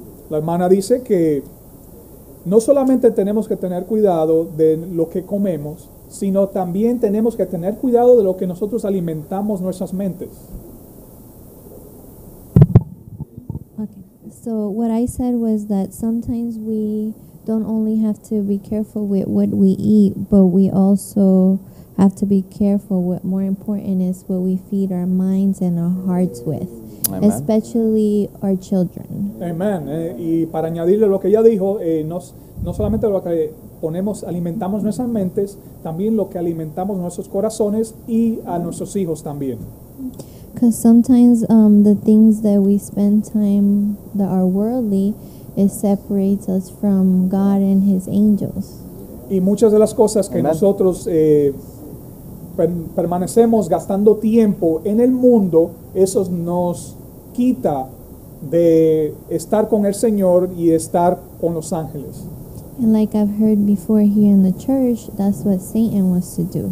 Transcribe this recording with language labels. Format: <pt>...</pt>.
<es>La hermana dice que no solamente tenemos que tener cuidado de lo que comemos, sino también tenemos que tener cuidado de lo que nosotros alimentamos nuestras mentes.</es> <en>Okay. So what I said was that sometimes we don't only have to be careful with what we eat, but we also have to be careful. What more important is what we feed our minds and our hearts with. Amen. Especially our children. Amen.</en> <es>Y para añadirle lo que ella dijo, no solamente lo que alimentamos nuestras mentes, también lo que alimentamos nuestros corazones y a nuestros hijos también.</es> <en>Because sometimes the things that we spend time that are worldly, it separates us from God and His angels.</en> <es>Y muchas de las cosas que nosotros permanecemos gastando tiempo en el mundo, eso nos quita de estar con el Señor y estar con los ángeles.</es> <en>And like I've heard before here in the church, that's what Satan wants to do.</en>